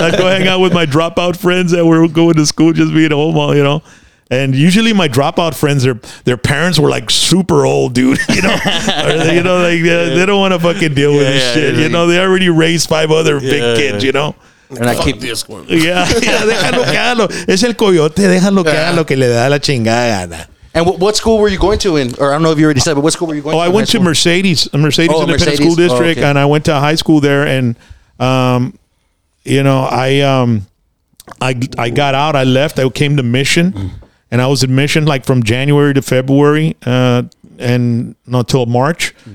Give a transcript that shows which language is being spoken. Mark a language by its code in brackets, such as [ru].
[en] I'd go hang out with my dropout friends that were going to school, just being home, you know. And usually my dropout friends, their parents were like super old, dude. You know, they don't want to fucking deal with this shit. Like, you know, they already raised five other big kids, you know. And I keep this one. [es] Yeah. Déjalo que haga lo. Es el coyote. Déjalo que haga lo que le da la chingada. [en] And what school were you going to in? Or I don't know if you already said, but what school were you going to? Oh, I went to Mercedes Independent School District, and I went to a high school there. And, you know, I got out. I left. I came to Mission, and I was in Mission like from January to February and not till March.